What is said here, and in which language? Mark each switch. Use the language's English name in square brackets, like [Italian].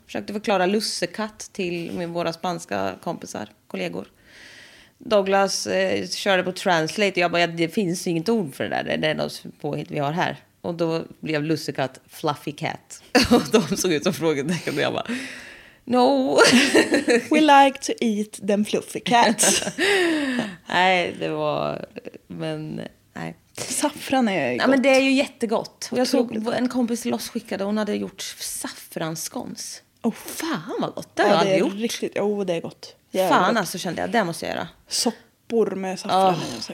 [Swedish] Försökte förklara lussekatt till med våra spanska kompisar, kollegor. Douglas körde på Translate och jag bara, ja, det finns inget ord för det där. Det är något påhitt vi har här. Och då blev lussekatt [English] fluffy cat. [Swedish] Och de såg ut som frågetecken och jag bara, [English] no. We like to eat them fluffy cats. [Swedish] Nej, det var, men nej. Saffran är gott. Ja, men det är ju jättegott. Och jag såg en kompis loss skickade, hon hade gjort saffransskons. Oh, fan vad gott det, ja, hade det är gjort. Riktigt. Oh, det är gott. Jävligt. Fan, alltså kände jag, det måste jag göra. Soppor med saffran, oh, och så